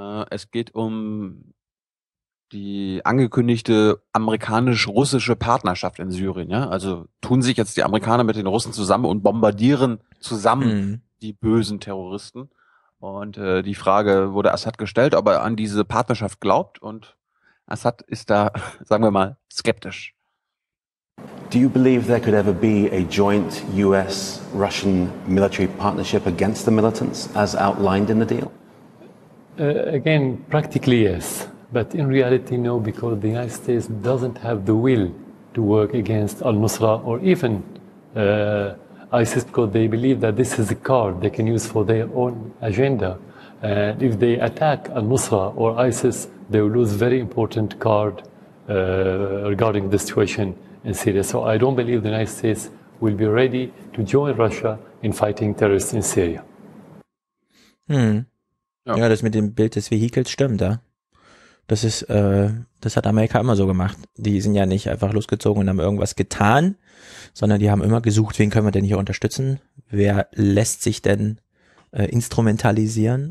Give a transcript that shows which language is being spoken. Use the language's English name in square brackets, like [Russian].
[German] Es geht um die angekündigte amerikanisch-russische Partnerschaft in Syrien, ja. Also tun sich jetzt die Amerikaner mit den Russen zusammen und bombardieren zusammen die bösen Terroristen. Und die Frage wurde Assad gestellt, ob er an diese Partnerschaft glaubt, und Assad ist da, sagen wir mal, skeptisch. [English] Do you believe there could ever be a joint US-Russian military partnership against the militants as outlined in the deal? Again, practically yes. But in reality, no, because the United States doesn't have the will to work against al-Nusra or even ISIS, because they believe that this is a card they can use for their own agenda. And if they attack al-Nusra or ISIS, they will lose a very important card regarding the situation in Syria. So I don't believe the United States will be ready to join Russia in fighting terrorists in Syria. [German] Ja, das mit dem Bild des Vehikels stimmt, ja. Das ist, das hat Amerika immer so gemacht. Die sind ja nicht einfach losgezogen und haben irgendwas getan, sondern die haben immer gesucht, wen können wir denn hier unterstützen? Wer lässt sich denn instrumentalisieren?